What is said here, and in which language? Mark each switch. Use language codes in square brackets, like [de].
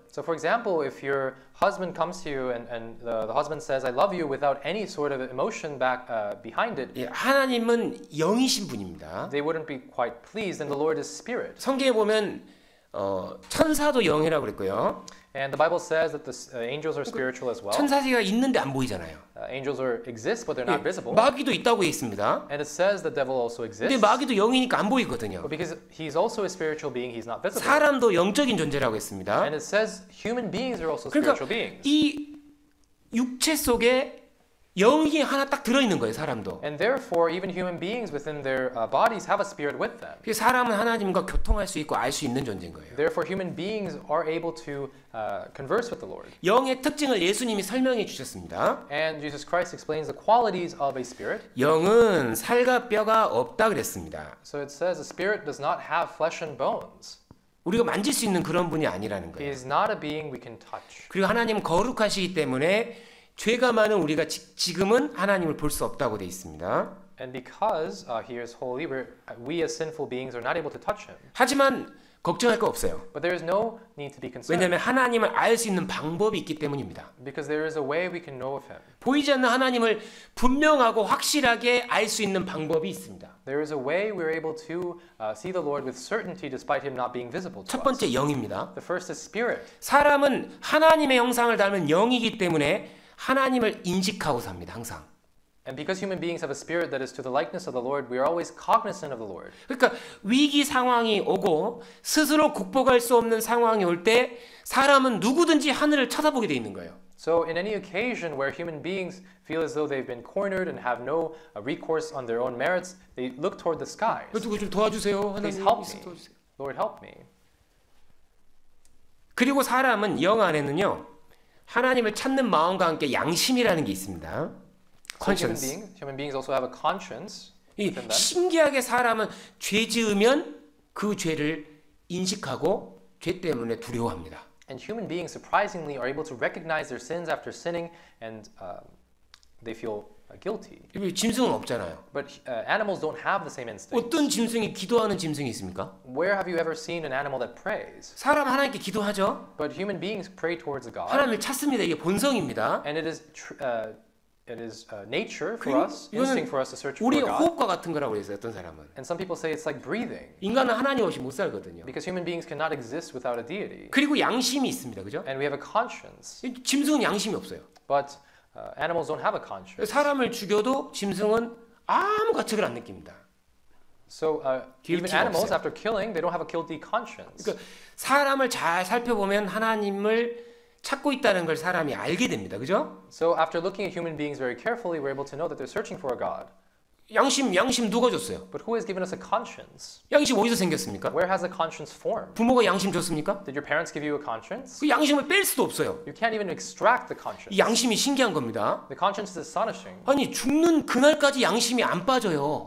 [en] So for example, if your husband comes to you and the husband says, "I love you," without any sort of emotion back behind it, [ko] 예, 하나님은 영이신 분입니다. [en] They wouldn't be quite pleased, and the Lord is spirit. [ko] 성경에 보면 천사도 영이라고 그랬고요. [en] And the Bible says that the angels are spiritual as well. [ko] 천사가 있는데 안 보이잖아요. [en] Angels are exist, but they're not [ko] 예, [en] visible. [ko] 마귀도 있다고 했습니다. [en] And it says the devil also exists. [ko] 근데 마귀도 영이니까 안 보이거든요. [en] But because he's also a spiritual being, he's not visible. [ko] 사람도 영적인 존재라고 했습니다. [en] And it says human beings are also [ko] 그러니까 [en] spiritual beings. [ko] 이 육체 속에 영이 하나 딱 들어 있는 거예요, 사람도. [en] And therefore, even human beings within their bodies have a spirit with them. [ko] 그 사람은 하나님과 교통할 수 있고 알 수 있는 존재인 거예요. [en] Therefore, human beings are able to converse with the Lord. [ko] 영의 특징을 예수님이 설명해 주셨습니다. [en] And Jesus Christ explains the qualities of a spirit. [ko] 영은 살과 뼈가 없다 그랬습니다. [en] So it says a spirit does not have flesh and bones. [ko] 우리가 만질 수 있는 그런 분이 아니라는 거예요. [en] He is not a being we can touch. [ko] 그리고 하나님 거룩하시기 때문에 죄가 많은 우리가 지금은 하나님을 볼 수 없다고 돼 있습니다. [en] And because he is holy, we as sinful beings are not able to touch him. [ko] 하지만 걱정할 거 없어요. [en] But there is no need to be concerned. [ko] 왜냐하면 하나님을 알 수 있는 방법이 있기 때문입니다. [en] Because there is a way we can know of him. [ko] 보이지 않는 하나님을 분명하고 확실하게 알 수 있는 방법이 있습니다. [en] There is a way we are able to see the Lord with certainty despite him not being visible to us. [ko] 첫 번째 영입니다. [en] The first is spirit. [ko] 사람은 하나님의 형상을 닮은 영이기 때문에 하나님을 인식하고 삽니다 항상. [en] And because human beings have a spirit that is to the likeness of the Lord, we are always cognizant of the Lord. [ko] 그러니까 위기 상황이 오고 스스로 극복할 수 없는 상황이 올 때 사람은 누구든지 하늘을 쳐다보게 돼 있는 거예요. [en] So in any occasion where human beings feel as though they've been cornered and have no recourse on their own merits, they look toward the skies. [ko] 누구 좀 도와주세요. 하나님, [en] Please help me. Lord, help me. [ko] 그리고 사람은 영 안에는요. 하나님을 찾는 마음과 함께 양심이라는 게 있습니다. [en] Conscience. So human beings also have a conscience. [ko] 이 신기하게 사람은 죄 지으면 그 죄를 인식하고 죄 때문에 두려워합니다. [en] And human beings surprisingly are able to recognize their sins after sinning and they feel guilty. [ko] 짐승은 없잖아요. [en] But animals don't have the same instinct. [ko] 어떤 짐승이 기도하는 짐승이 있습니까? [en] Where have you ever seen an animal that prays? [ko] 사람 하나님께 기도하죠. [en] But human beings pray towards God. [ko] 하나님을 찾습니다. 이게 본성입니다. [en] And it is nature for us, instinct for us to search for God. [ko] 우리 호흡과 같은 거라고 해서 어떤 사람은. [en] And some people say it's like breathing. [ko] 인간은 하나님 없이 못 살거든요. [en] Because human beings cannot exist without a deity. [ko] 그리고 양심이 있습니다. 그죠? [en] And we have a conscience. [ko] 짐승은 양심이 없어요. [en] But animals don't have a conscience. [ko] 사람을 죽여도 짐승은 아무 가책을 안 느낍니다. [en] So even animals, after killing, they don't have a guilty conscience. [ko] 그러니까 사람을 잘 살펴보면 하나님을 찾고 있다는 걸 사람이 알게 됩니다. 그죠? [en] So after looking at human beings very carefully, we're able to know that they're searching for a God. [ko] 양심 누가 줬어요? [en] But who has given us a conscience? [ko] 양심 어디서 생겼습니까? [en] Where has a conscience formed? [ko] 부모가 양심 줬습니까? [en] Did your parents give you a conscience? [ko] 그 양심을 뺄 수도 없어요. [en] You can't even extract the conscience. [ko] 양심이 신기한 겁니다. [en] The conscience is astonishing. [ko] 아니 죽는 그날까지 양심이 안 빠져요.